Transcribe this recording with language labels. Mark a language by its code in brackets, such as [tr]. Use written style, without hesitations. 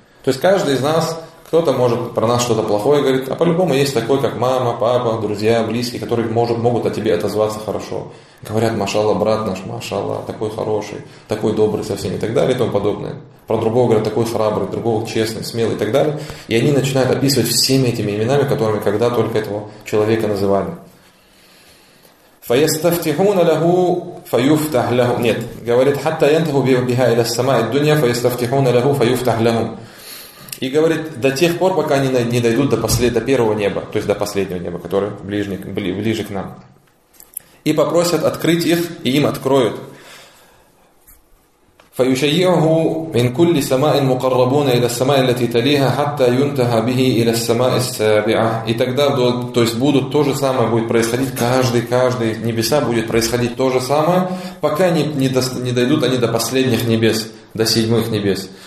[ru] То есть каждый из нас, кто-то может про нас что-то плохое говорит, а по-любому есть такой, как мама, папа, друзья, близкие, которые могут о тебе отозваться хорошо. Говорят, машалла, брат наш, машалла, такой хороший, такой добрый со всеми и так далее и тому подобное. Про другого говорят, такой храбрый, другого честный, смелый и так далее. И они начинают описывать всеми этими именами, которыми когда только этого человека называли. [ar] فَيَسْتَفْتِحُونَ لَهُ فَيُفْتَحْ لَهُمْ. [ru] Нет, говорит, [ar] حَتَّى يَنْتَهُ بِهَا إِلَى السَّمَاءِ الدُّنْيَا فَيَسْتَفْتِحُونَ لَهُ فَيُفْتَحْ لَهُمْ. [ru] И говорит, до тех пор, пока они не дойдут до первого неба, то есть до последнего неба, которое ближе к нам. И попросят открыть их, и им откроют. [ar] فَيُشَيِّعُهُ مِنْ كُلِّ سَمَاءٍ مُقَرَّبُونَ إِلَى السَّمَاءِ الَّتِي تَلِيهَا حَتَّى يُنْتَهَا بِهِ إِلَى السَّمَاءِ السَّابِعَةِ. [ru] И тогда, то есть будут то же самое, будет происходить каждый небеса, будет происходить то же самое, пока не дойдут они до последних небес, до седьмых небес.